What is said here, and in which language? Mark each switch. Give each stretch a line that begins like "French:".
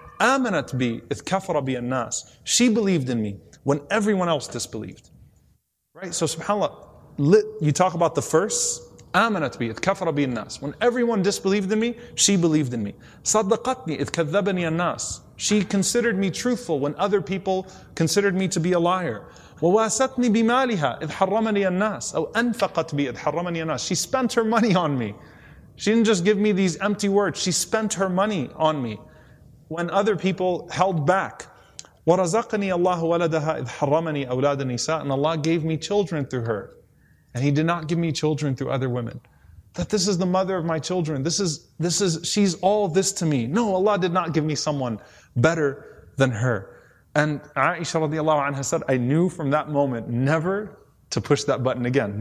Arabic: Amanat bi ith kafara bi an-nas.
English: She believed in me when everyone else disbelieved. Right? So subhanAllah, you talk about the first,
Arabic: آمنت بي إذ كفر بي الناس.
English: When everyone disbelieved in me, she believed in me.
Arabic: صدقتني إذ كذبني الناس.
English: She considered me truthful when other people considered me to be a liar.
Arabic: وواستني بمالها إذ حرمني الناس. أو أنفقت بي إذ حرمني الناس.
English: She spent her money on me. She didn't just give me these empty words. She spent her money on me when other people held back.
Arabic: ورزقني الله ولدها إذ حرمني أولاد النساء.
English: And Allah gave me children through her. And He did not give me children through other women. That this is the mother of my children. This is she's all this to me. No, Allah did not give me someone better than her. And Aisha radiallahu anha said, I knew from that moment never to push that button again.